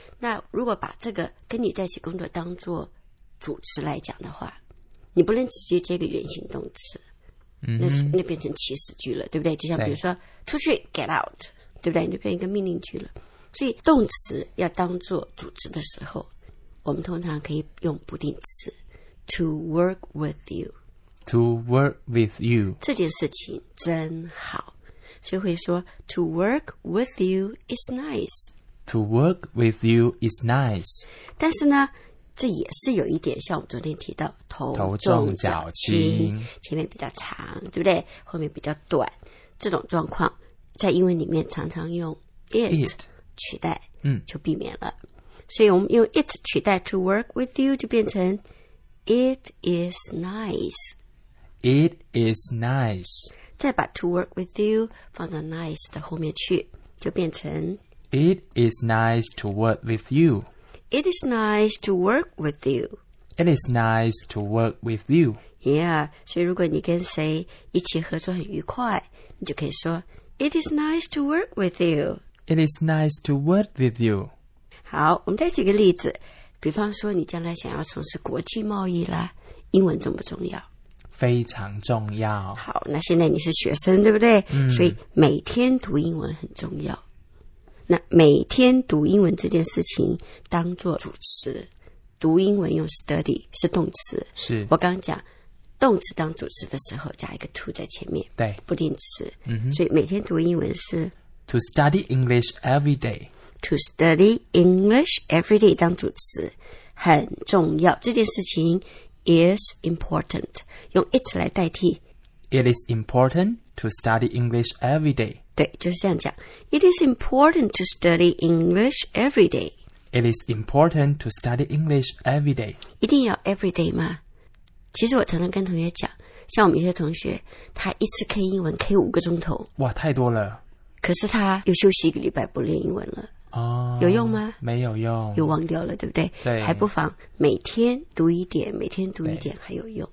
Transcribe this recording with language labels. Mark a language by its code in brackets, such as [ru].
[zh] 那如果把这个跟你在一起工作当作主词来讲的话，你不能直接接个原形动词、嗯、那变成祈使句了，对不对？就像比如说出去 [en] get out， [zh] 对不对？你就变一个命令句了。所以动词要当作主词的时候，我们通常可以用不定词 [en] to work with you。 to work with you [zh] 这件事情真好，所以会说 [en] to work with you is nice。 to work with you is nice。 [zh] 但是呢，这也是有一点像我们昨天提到头重脚轻，前面比较长，对不对？后面比较短，这种状况。在英文里面常常用 it 取代 [en] it, [zh] 就避免了、嗯、所以我们用 it 取代 [en] to work with you [zh] 就变成 [en] it is nice， it is nice， [zh] 再把 [en] to work with you [zh] 放到 nice 的后面去就变成 [en] it is nice to work with you， it is nice to work with you， it is nice to work with you， yeah。 [zh] 所以如果你跟谁一起合作很愉快，你就可以说 [en] It is nice to work with you. It is nice to work with you. [zh] 好，我们再举个例子，比方说你将来想要从事国际贸易啦，英文重不重要？非常重要。好，那现在你是学生，对不对？嗯。所以每天读英文很重要。那每天读英文这件事情当作主词，读英文用 study 是动词。是。我刚刚讲动词当主词的时候加一个 to 在前面，对，不定词、嗯、所以每天读英文是 [en] to study English every day， to study English every day [zh] 当主词很重要，这件事情 [en] is important， [zh] 用 it 来代替 [en] it is important to study English every day， [zh] 对，就是这样讲 [en] it is important to study English every day， it is important to study English every day， [zh] 一定要 [en] every day [zh] 吗？其实我常常跟同学讲，像我们有些同学他一次 K 英文 K 五个钟头，哇，太多了，可是他又休息一个礼拜不练英文了、哦、有用吗？没有用，又忘掉了，对不对？对，还不妨每天读一点，每天读一点还有用，